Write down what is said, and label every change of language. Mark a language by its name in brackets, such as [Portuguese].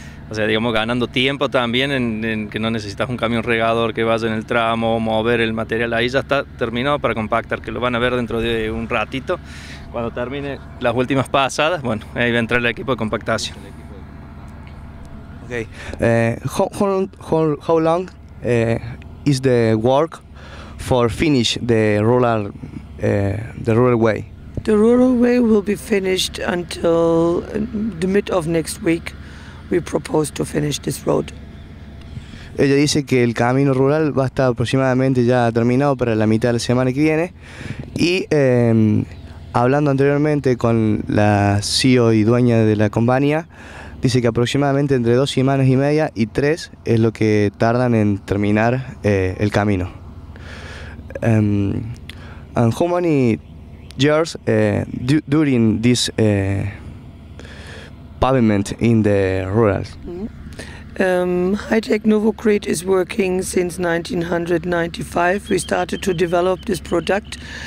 [Spanish] O sea, digamos, ganando tiempo también en que no necesitas un camión regador que vaya en el tramo, mover el material. Ahí ya está terminado para compactar, que lo van a ver dentro de un ratito. Cuando termine las últimas pasadas, bueno, ahí va a entrar el equipo de compactación. Ok. [English] How long is the work for finish the rural way? The rural way will be finished until the mid of next week. We propose to finish this road. [Spanish] Ella dice que el camino rural va a estar aproximadamente ya terminado para la mitad de la semana que viene. Y hablando anteriormente con la CEO y dueña de la compañía, dice que aproximadamente entre 2 semanas y media y 3 es lo que tardan en terminar el camino. [English] And how many years during this pavement in the rural? Hightech Novocrete is working since 1995. We started to develop this product.